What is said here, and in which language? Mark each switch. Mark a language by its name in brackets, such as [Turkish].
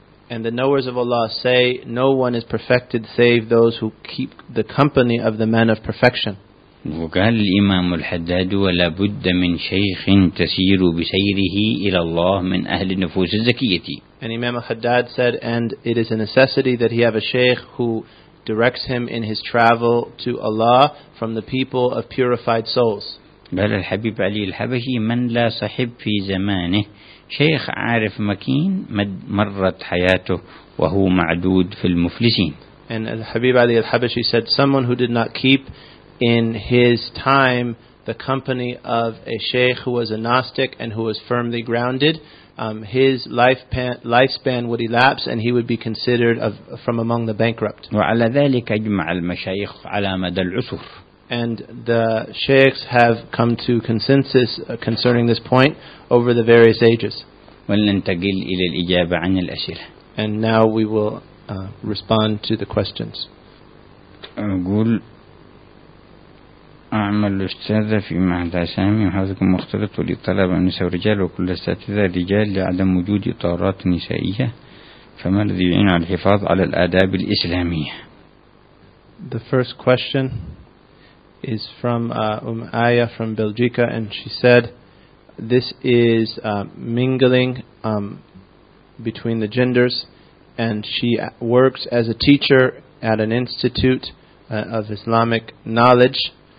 [English] And the knowers of Allah say, no one is perfected save those who keep the company of the man of perfection. [Arabic] وقال الإمام الحداد ولا بد من شيخ تسير بسيره إلى الله من أهل النفوس الزكية. [English] And Imam al-Haddad said, and it is a necessity that he have a sheikh who directs him in his travel to Allah from the people of purified souls. [Arabic] قال الحبيب علي الحبشي من لا صحب في زمانه شيخ عارف مكين مرت حياته وهو معدود في المفلسين. [English] And al-Habib Ali al-Habashi said, someone who did not keep in his time the company of a sheikh who was a Gnostic and who was firmly grounded, his lifespan would elapse and he would be considered from among the bankrupt. [Arabic] وعلى ذلك اجمع المشايخ على مدى العصور. [English] And the sheikhs have come to consensus concerning this point over the various ages. [Arabic] ولننتقل إلى الإجابة عن الأسئلة. [English] And now we will respond to the questions. [Arabic] أقول أعمل أستاذة في معهد أسامي وحظكم مختلط للطلبة النساء والرجال وكل أستاذة رجال لعدم وجود إطارات نسائية فما الذي يعين على الحفاظ على الآداب الإسلامية؟ [English] The first question is from Aya from Belgica, and she said this is mingling between the genders, and she works as a teacher at an institute of Islamic knowledge.